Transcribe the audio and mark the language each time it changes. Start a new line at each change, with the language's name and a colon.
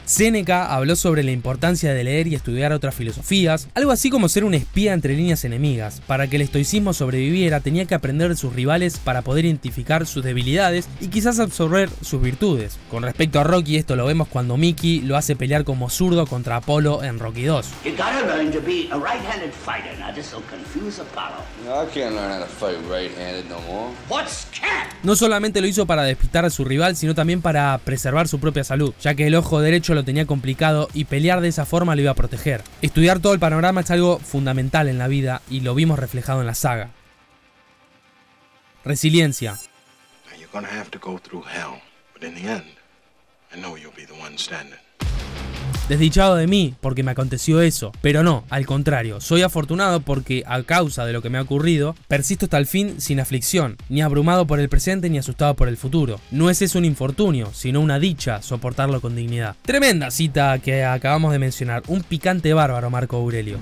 Spanish: Séneca habló sobre la importancia de leer y estudiar otras filosofías. Algo así como ser un espía entre líneas enemigas. Para que el estoicismo sobreviviera tenía que aprender de sus rivales para poder identificar sus debilidades y quizás absorber sus virtudes. Con respecto a Rocky, esto lo vemos cuando Mickey lo hace pelear como zurdo contra Apolo en Rocky 2.
English: You gotta learn to be a right-handed fighter. Now this will confuse Apollo. No, I can't learn how to fight right-handed no more. What's cat?
Spanish: No solamente lo hizo para despistar a su rival, sino también para preservar su propia salud, ya que el ojo derecho lo tenía complicado y pelear de esa forma lo iba a proteger. Estudiar todo el panorama es algo fundamental en la vida y lo vimos reflejado en la saga. Resiliencia.
English: Now you're gonna have to go through hell, but in the end, I know you'll be the one standing.
Spanish: Desdichado de mí, porque me aconteció eso. Pero no, al contrario, soy afortunado porque, a causa de lo que me ha ocurrido, persisto hasta el fin sin aflicción, ni abrumado por el presente ni asustado por el futuro. No es eso un infortunio, sino una dicha soportarlo con dignidad. Tremenda cita que acabamos de mencionar, un picante bárbaro Marco Aurelio.